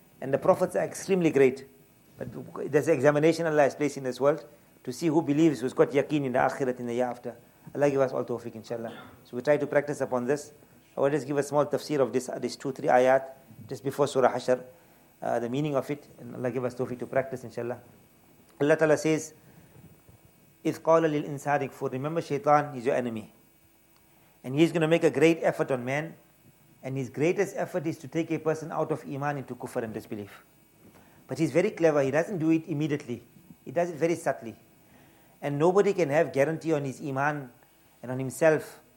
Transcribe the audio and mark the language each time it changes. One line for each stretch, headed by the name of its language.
English: And the prophets are extremely great. But there's an examination Allah has placed in this world to see who believes, who's got yaqeen in the akhirat, in the year after. Allah give us all tawfiq, inshallah. So we try to practice upon this. I will just give a small tafsir of this 2-3 ayat, just before Surah Hashr, the meaning of it. And Allah give us tawfiq to practice, inshallah.
Arabic: Allah Ta'ala says, إِذْ قَالَ لِلْإِنْسَانِ اكْفُرْ.
English: Remember, shaitan is your enemy. And he's going to make a great effort on man. And his greatest effort is to take a person out of iman into kufr and disbelief. But he's very clever. He doesn't do it immediately. He does it very subtly. And nobody can have guarantee on his iman and on himself.